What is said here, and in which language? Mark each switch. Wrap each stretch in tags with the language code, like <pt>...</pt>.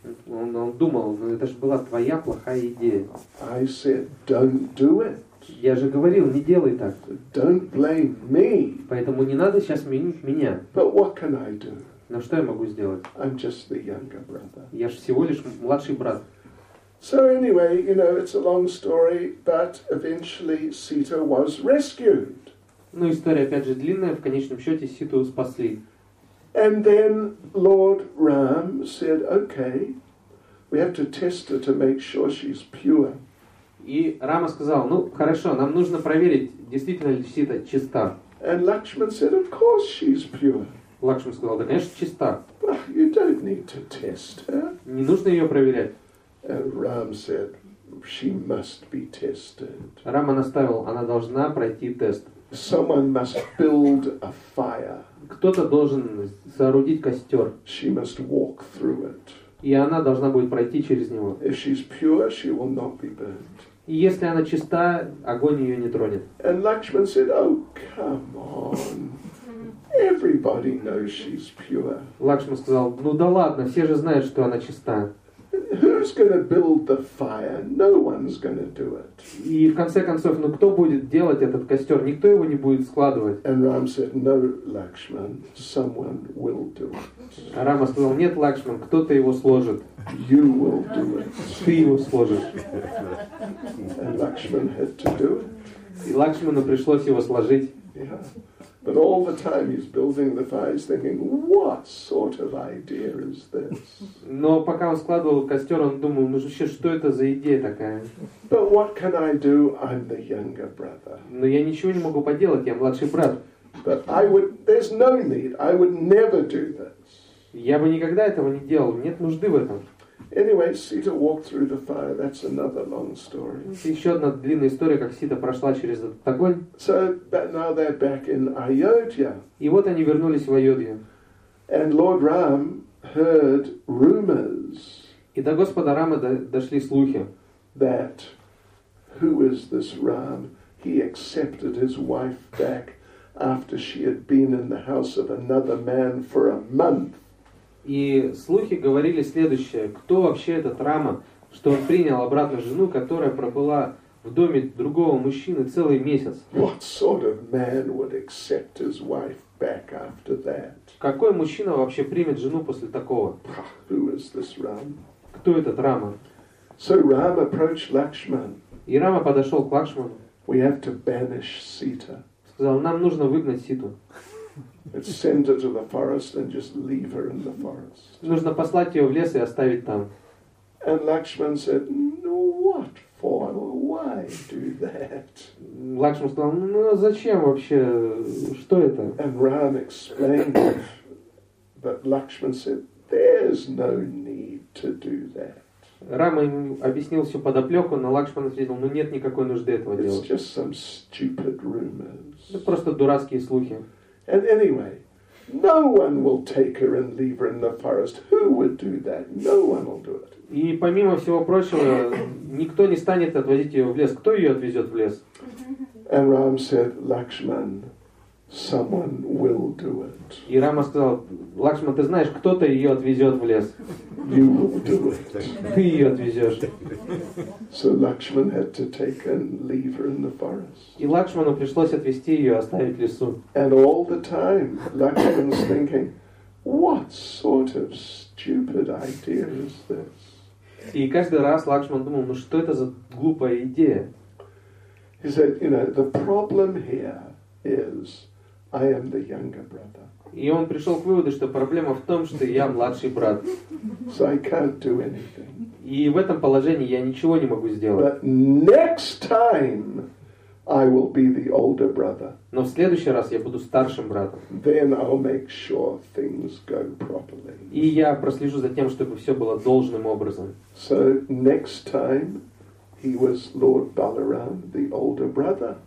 <ru>Он думал, ну это же была твоя плохая идея.</ru> <en>I said, don't do it.</en> <ru>Я же говорил, не делай так.</ru> <en>Don't blame me.</en> <ru>Поэтому не надо сейчас винить меня.</ru> <en>But what can I do?</en> <ru>Но что я могу сделать?</ru> <en>I'm just the younger brother.</en> <ru>Я же всего лишь младший брат.</ru> <en>So anyway, you know, it's a long story, but eventually Sita was rescued.</en> <ru>Ну, история опять же длинная, в конечном счете Ситу спасли.</ru> <en>And then Lord Ram said, okay, we have to test her to make sure she's pure.</en> <ru>И Рама сказал: ну, хорошо, нам нужно проверить, действительно ли Сита чиста.</ru> <en>And Lakshman said, of course she's pure.</en> <ru>Лакшман сказал: да, конечно, чиста.</ru> <en>But you don't need to test her.</en> <ru>Не нужно ее проверять.</ru> <en>And Ram said, she must be tested.</en> <ru>Рама настаивал, она должна пройти тест.</ru> <en>Someone must build a fire.</en> <ru>Кто-то должен соорудить костер.</ru> <en>She must walk through it.</en> <ru>И она должна будет пройти через него.</ru> <en>If she's pure, she will not be burnt.</en> <ru>И если она чиста, огонь ее не тронет.</ru> <en>And Lakshman said, oh, come on. Everybody knows she's pure.</en> <ru>Лакшма сказал, ну да ладно, все же знают, что она чиста.</ru> <en>Who's gonna build the fire? No one's gonna do it.</en> <ru>И в конце концов, ну кто будет делать этот костер? Никто его не будет складывать.</ru> <en>And Ram said, no, Lakshman, someone will do it.</en> <ru>А Рама сказал, нет, Лакшман, кто-то его сложит.</ru> <en>You will do it.</en> <ru>Ты его сложишь.</ru> <en>And Lakshman had to do it.</en> <ru>И Лакшману пришлось его сложить.</ru> <en>Yeah. But all the time he's building the fire, he's thinking, what sort of idea is this?</en> <ru>Но пока он складывал костер, он думал, ну вообще, что это за идея такая?</ru> <en>But what can I do? I'm the younger brother.</en> <ru>Но я ничего не могу поделать, я младший брат.</ru> <en>But I would, there's no need. I would never do this.</en> <ru>Я бы никогда этого не делал. Нет нужды в этом.</ru> <en>Anyway, Sita walked through the fire. That's another long story.</en> <ru>Еще одна длинная история, как Сита прошла через этот огонь.</ru> <en>So, but now they're back in Ayodhya.</en> <ru>И вот они вернулись в Айодхию.</ru> <en>And Lord Ram heard rumors.</en> <ru>И до господа Рамы дошли слухи.</ru> <en>That who is this Ram? He accepted his wife back after she had been in the house of another man for a month.</en> <ru>И слухи говорили следующее. Кто вообще этот Рама, что он принял обратно жену, которая пробыла в доме другого мужчины целый месяц?</ru> <en>What sort of man would accept his wife back after that?</en> <ru>Какой мужчина вообще примет жену после такого?</ru> <en>Who is this Ram?</en> <ru>Кто этот Рама?</ru> <en>So Ram approached Lakshman.</en> <ru>И Рама подошел к Лакшману.</ru> <en>We have to banish Sita.</en> <ru>Сказал, нам нужно выгнать Ситу.</ru> <en>It's send her to the forest and just leave her in the forest.</en> <ru>Нужно послать ее в лес и оставить там.</ru> <en>And Lakshman said, "No, what for? Why do that?"</en> <ru>Лакшман сказал, ну зачем вообще? Что это?</ru> <en>And Ram explained, but Lakshman said, "There's no need to do that."</en> <ru>Рама ему объяснил всю подоплеку, но Лакшман ответил, ну нет никакой нужды этого делать.</ru> <en>It's just some stupid rumors.</en> <ru>Это просто дурацкие слухи.</ru> <en>And anyway, no one will take her and leave her in the forest. Who would do that? No one will do it.</en> <ru>И помимо всего прочего, никто не станет отвозить ее в лес. Кто ее отвезет в лес?</ru> <en>And Ram said, Lakshman, someone will do it.</en> <ru>И Рама сказал, Лакшман, ты знаешь, кто-то ее отвезет в лес.</ru> <en>You will do it.</en> <ru>Ты ее отвезешь.</ru> <en>So Lakshman had to take and leave her in the forest.</en> <ru>И Лакшману пришлось отвезти ее, оставить в лесу.</ru> <en>And all the time Lakshman's thinking, what sort of stupid idea is this?</en> <ru>И каждый раз Лакшман думал, ну что это за глупая идея?</ru> <en>He said, you know, the problem here is I am the younger brother.</en> <ru>И он пришел к выводу, что проблема в том, что я младший брат.</ru> <en>So I can't do anything.</en> <ru>И в этом положении я ничего не могу сделать.</ru> <en>But next time I will be the older brother.</en> <ru>Но в следующий раз я буду старшим братом.</ru> <en>Then I'll make sure things go properly.</en> <ru>И я прослежу за тем, чтобы все было должным образом.</ru> <en>So next time he was Lord Balaram, the older brother.</en>